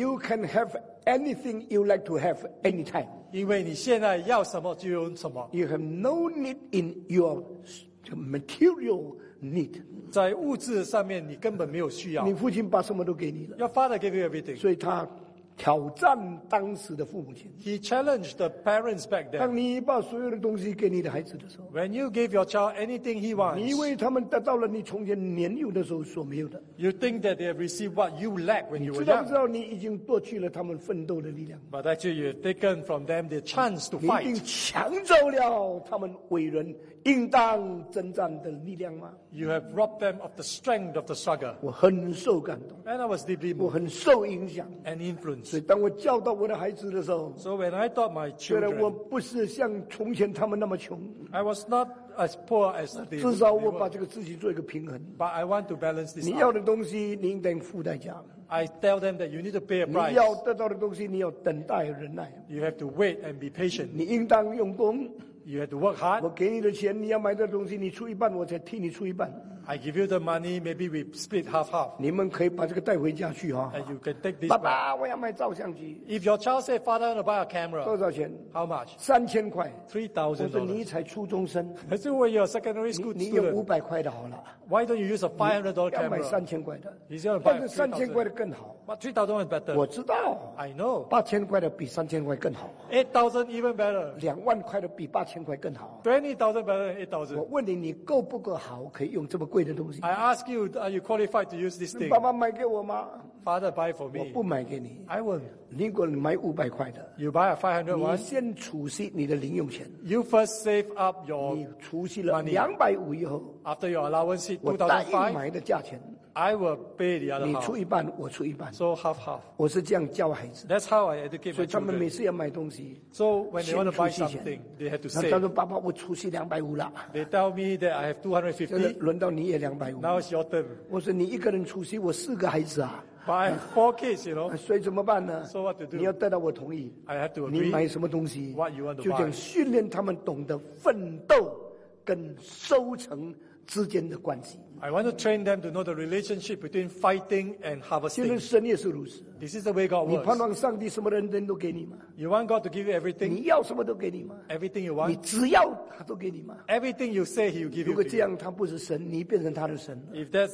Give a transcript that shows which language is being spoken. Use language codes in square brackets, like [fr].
[en] You can have anything you like to have anytime. [zh] 因为你现在要什么就有什么。 [en] You have no need in your material need. [zh] 在物质上面你根本没有需要。你父亲把什么都给你了。 [en] Your father gave you everything. [zh] 所以他挑战当时的父母亲。 [en] He challenged the parents back then. [zh] 当你把所有的东西给你的孩子的时候。 [en] When you gave your child anything he wants. [zh] 你为他们得到了你从前年幼的时候所没有的。 [en] You think that they have received what you lack when you were young. [zh] 你知道你已经夺去了他们奋斗的力量。 [en] But actually you have taken from them the chance to fight. [zh] 你已经抢走了他们伟人应当征战的力量吗？ [en] You have robbed them of the strength of the struggle. [zh] 我很受感动。 [en] And I was deeply moved. [zh] 我很受影响。 [en] And influenced. [zh] 所以当我教导我的孩子的时候。 [en] So when I taught my children. [zh] 虽然我不是像从前他们那么穷。 [en] I was not as poor as they were. [zh] 至少我把这个自己做一个平衡。 [en] But I want to balance this out. [zh] 你要的东西你应当付代价。 [en] I tell them that you need to pay a price. [zh] 你要得到的东西你要等待忍耐。 [en] You have to wait and be patient. [zh] 你应当用功。 [en] You have to work hard. [zh] 我给你的钱，你要买的东西，你出一半，我才替你出一半。 [en] I give you the money, maybe we split half half. [zh] 你们可以把这个带回家去啊。 [en] And you can take this. [zh] 爸爸，我要买照相机。 [en] If your child says, "Father, I want to buy a camera." [zh] 多少钱 [en] ？How much? [zh] 3000块。 [en] $3,000。 [zh] 我说你才初中生。 [en] I said, "Well, you're a secondary school student." [zh] 你有500块的好了。 [en] Why don't you use a $500 camera? [zh] 要买3000块的。 [en] He's going to buy [zh] 3000块的更好。 [en] But $3,000 is better. [zh] 我知道。 [en] I know. [zh] 8000块的比3000块更好。 [en] $8,000 even better. [zh] 20000块的比8000块更好。 [en] 20000 better than $8,000. [zh] 我问你，你够不够好，可以用这么贵的东西。 [en] I ask you, are you qualified to use this thing? [zh] 爸爸买给我吗 [en] ？Father, buy for me. [zh] 我不买给你。 [en] I won't. [zh] 如果你买500块的 [en] ，You buy a $500 one. [zh] 你先储蓄你的零用钱。 [en] You first save up your money. [zh] 你储蓄了250以后 [en] ，After your allowance hit $2,500, [zh] 我答应买的价钱。 [en] I will pay the other half. [zh] 你出一半，我出一半。 [en] So half half. [zh] 我是这样教孩子。 [en] That's how I educate my children. [zh] 所以他们每次要买东西 [en] ，So when they want to buy something, they have to save. [zh] 他说：“爸爸，我出息250了。 [en] ”They tell me that I have 250. [zh] 轮到你也250。 [en] Now it's your turn. [zh] 我说：“你一个人出息，我四个孩子啊。 [en] ”But I have 4 kids, you know. [zh] 所以怎么办呢 [en] ？So what to do? [zh] 你要得到我同意。 [en] I have to agree. [zh] 你买什么东西 [en] ？What you want to buy? [zh] 就这样训练他们懂得奋斗跟收成之间的关系。 [en] I want to train them to know the relationship between fighting and harvesting. This is the way God works. You want God to give you everything? Everything you want? Everything you say, He will give you. If that's